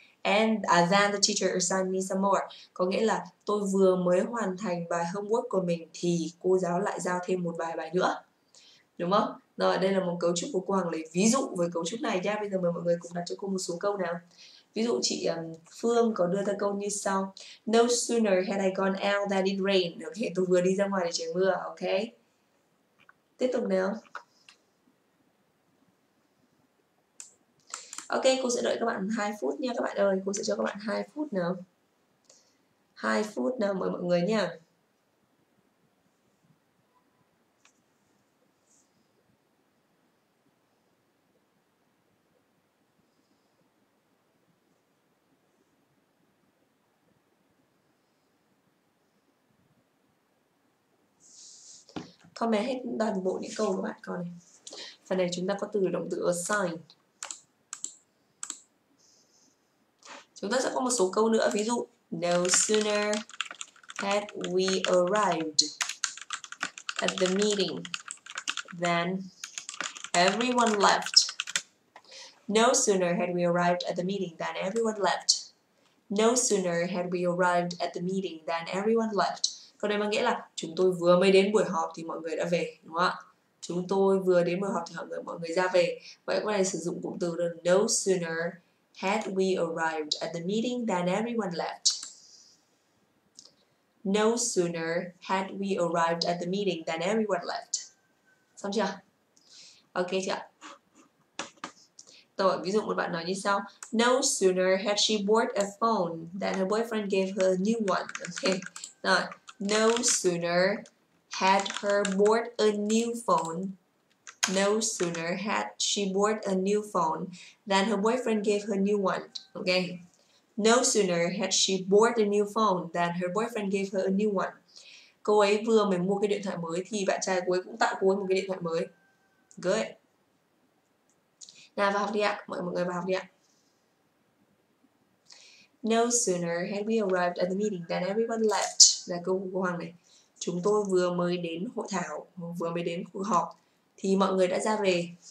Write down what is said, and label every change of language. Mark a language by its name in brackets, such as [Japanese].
[English] And then the teacher assigned me some more, [Vietnamese] có nghĩa là tôi vừa mới hoàn thành bài homework của mình thì cô giáo lại giao thêm một vài bài nữa, đúng không? Rồi đây là một cấu trúc của cô Hằng lấy ví dụ với cấu trúc này nha. Bây giờ mời mọi người cùng đặt cho cô một số câu nào. Ví dụ chị Phương có đưa ra câu như sau. [English] No sooner had I gone out than it rained. [Vietnamese] Ok, tôi vừa đi ra ngoài để trời mưa. Ok, tiếp tục nào. Ok, cô sẽ đợi các bạn 2 phút nha các bạn ơi. Cô sẽ cho các bạn 2 phút nào. 2 phút nào mời mọi người nha. comment hết toàn bộ những câu của bạn coi này. Phần này chúng ta có từ động từ assign. Chúng ta sẽ có một số câu nữa, ví dụ [English] no sooner had we arrived at the meeting than everyone left. No sooner had we arrived at the meeting than everyone left. No sooner had we arrived at the meeting than everyone left. [Vietnamese] Câu này mang nghĩa là chúng tôi vừa mới đến buổi họp thì mọi người đã về, đúng không ạ? Chúng tôi vừa đến buổi họp thì mọi người ra về. Vậy câu này sử dụng cụm từ là [English] no sooner had we arrived at the meeting than everyone left. No sooner had we arrived at the meeting than everyone left. [Vietnamese] Xong chưa? Ok chưa? Rồi, ví dụ một bạn nói như sau. [English] No sooner had she bought a phone than her boyfriend gave her a new one. Okay. Rồi, no sooner had her bought a new phone. No sooner had she bought a new phone than her boyfriend gave her a new one. Okay. No sooner had she bought a new phone than her boyfriend gave her a new one. [Vietnamese] Cô ấy vừa mới mua cái điện thoại mới thì bạn trai cô ấy cũng tặng cô ấy một cái điện thoại mới. Good. Nào vào học đi ạ, mọi người vào học đi ạ. [English] No sooner had we arrived at the meeting than everyone left. [Vietnamese] Là câu của cô Hoàng này. Chúng tôi vừa mới đến hội thảo, vừa mới đến cuộc họp thì mọi người đã ra về.